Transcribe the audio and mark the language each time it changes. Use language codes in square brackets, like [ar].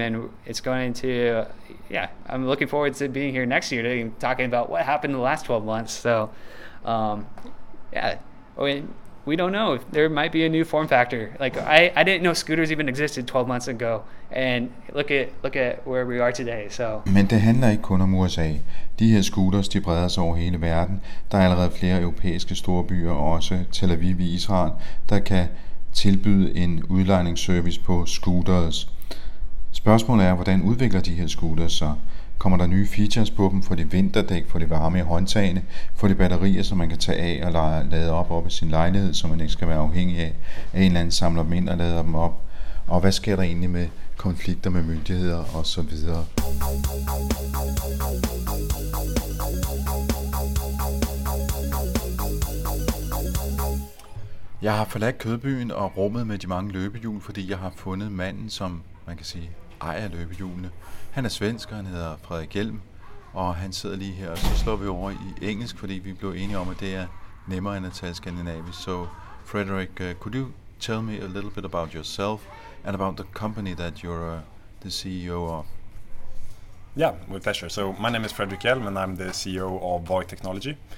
[en] And it's going to, yeah, I'm looking forward to being here next year talking about what happened in the last 12 months. So, yeah, I mean, we don't know. There might be a new form factor. Like, I didn't know scooters even existed 12 months ago. And look at where we are today. So. [da] Men det handler ikke kun om USA. De her scooters, de breder sig over hele verden. Der er allerede flere europæiske store byer, også Tel Aviv i Israel, der kan tilbyde en udlejningsservice på scooters. Spørgsmålet er, hvordan udvikler de her scooters sig? Kommer der nye features på dem? Får de vinterdæk? Får de varme i håndtagene? Får de batterier, som man kan tage af og lade op i sin lejlighed, som man ikke skal være afhængig af? En eller anden samler dem ind og lader dem op? Og hvad sker der egentlig med konflikter med myndigheder osv.? Jeg har forladt kødbyen og rummet med de mange løbehjul, fordi jeg har fundet manden, som man kan sige ejer løbehjulene. Han er svensker, han hedder Frederik Hjelm, og han sidder lige her, og så slår vi over i engelsk, fordi vi blev enige om, at det er nemmere end at tale skandinavisk. [en] So, Frederik, could you tell me a little bit about yourself and about the company that you're the CEO of? Yeah, with pleasure. So, my name is Frederik Hjelm, and I'm the CEO of Voi Technology.